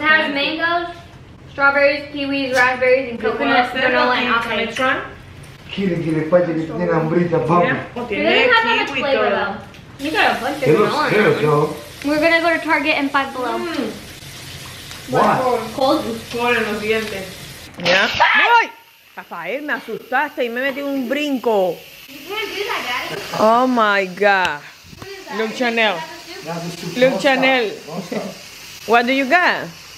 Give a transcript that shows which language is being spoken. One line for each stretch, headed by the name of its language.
English: It has mangoes, strawberries, kiwis, raspberries, and coconuts, granola, and apple. Can I try?
Spanish: Quiere que le pase que tiene hambrita, papi.
English: It doesn't have that much flavor, though. You got a bunch of melons. It looks good, though. We're gonna go to Target and Five Below. Mm. What? Cold. Cold in
Spanish: los dientes. Yeah. Ay! Rafael, me asustaste y me metí un brinco.
English: You can't do that, guys. Oh my God. Look, Chanel. Look, Chanel. What do you got?